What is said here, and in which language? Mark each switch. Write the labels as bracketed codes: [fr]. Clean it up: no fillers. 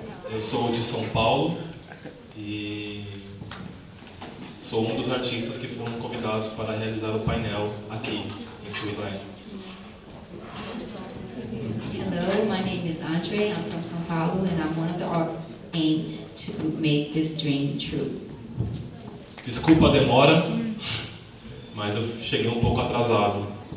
[pt] Eu sou de São Paulo e sou um dos artistas que foram convidados para realizar o painel aqui em Suíland. [en] Hello, my name is Andre. I'm from São Paulo and I'm one of the artists aim to make this dream true. [pt] Desculpa a demora, mas eu cheguei um pouco atrasado.